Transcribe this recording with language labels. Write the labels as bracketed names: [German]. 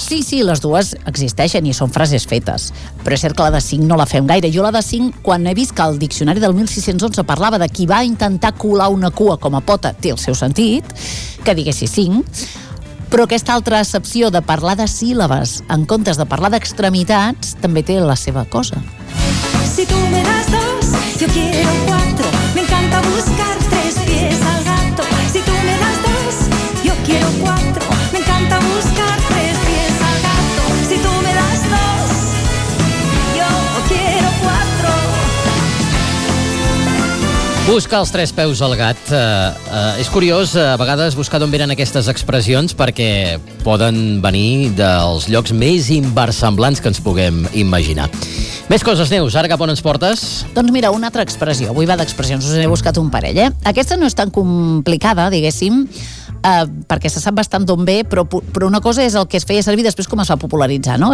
[Catalan] Sí, sí, les dues existeixen i són frases fetes. Però és cert que la de 5 no la fem gaire. Jo la de 5, quan he vist que el diccionari del 1611 parlava de qui va intentar colar una cua com a pota, té el seu sentit, que diguessis 5... Però aquesta altra excepció de parlar de síl·labes en comptes de parlar d'extremitats també té la seva cosa. [Spanish] Si tú me das dos, yo quiero cuatro. Me encanta buscar tres pies al gato. Si tú me das dos, yo quiero cuatro. Me encanta buscar tres pies al gato. Si tú me das dos, yo quiero cuatro. [Catalan] Busca els tres peus al gat. És curiós, a vegades, buscar d'on venen aquestes expressions, perquè poden venir dels llocs més inversemblants que ens puguem imaginar. Més coses, Neus, ara cap on ens portes? Doncs mira, una altra expressió. Avui va d'expressions, us he buscat un parell, eh? Aquesta no és tan complicada, diguéssim, perquè se sap bastant d'on ve, però una cosa és el que es feia servir després com es va popularitzar, no?